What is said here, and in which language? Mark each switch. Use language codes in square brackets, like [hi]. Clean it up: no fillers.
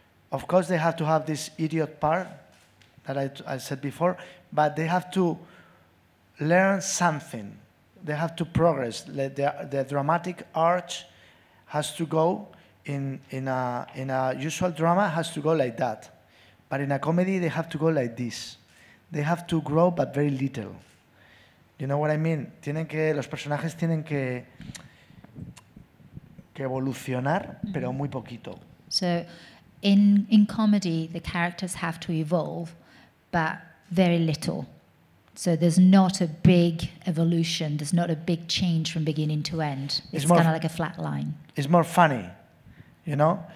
[en] Of course, they have to have this idiot part that I said before, but they have to learn something. They have to progress. The dramatic arc has to go in a usual drama, has to go like that. But in a comedy, they have to go like this. They have to grow, but very little. You know what I mean? [es] Tienen que, los personajes tienen que evolucionar, mm-hmm. pero muy poquito. [en] So, in comedy, the characters have to evolve, but very little. So there's not a big evolution, there's not a big change from beginning to end. It's kind of like a flat line. It's more funny, you know?